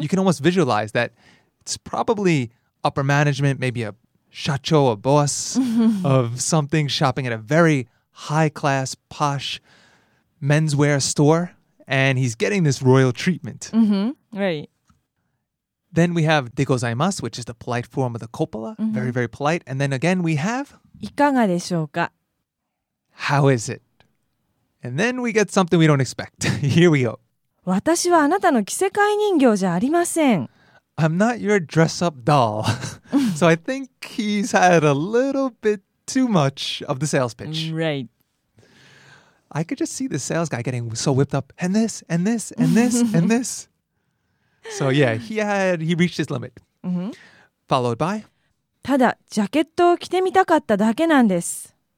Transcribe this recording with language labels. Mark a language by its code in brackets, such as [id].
[en] You can almost visualize that it's probably upper management, maybe a shacho, a boss of something shopping at a very high-class, posh menswear store, and he's getting this royal treatment. Mm-hmm. Right. Then we have [ja] de gozaimasu, [en] which is the polite form of the coppola. Mm-hmm. Very, very polite. And then again, we have... [ja] いかがでしょうか? [en] How is it? And then we get something we don't expect. Here we go. [ja] 私はあなたの着せ替え人形じゃありません。 [en] I'm not your dress-up doll. So I think he's had a little bit too much of the sales pitch. Right. I could just see the sales guy getting so whipped up. And this, and this, and this, and this. So yeah, he reached his limit. Followed by... [ja] ただ、ジャケットを着てみたかっただけなんです。